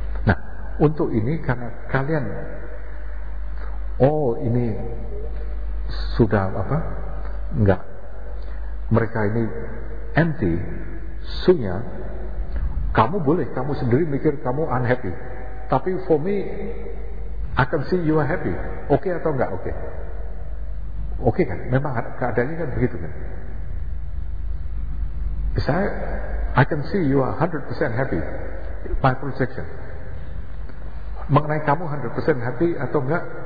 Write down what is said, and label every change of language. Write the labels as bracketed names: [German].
[Indonesian] Nah, untuk ini karena kalian oh ini sudah apa enggak, mereka ini empty, sunya, kamu boleh, kamu sendiri mikir kamu unhappy, tapi [English] for me I can see you are happy. [Indonesian] Okay atau enggak okay? Okay kan? Memang keadaannya kan begitu kan? Saya, [English] I can see you are 100% happy. My projection. [Indonesian] Mengenai kamu 100% happy atau enggak?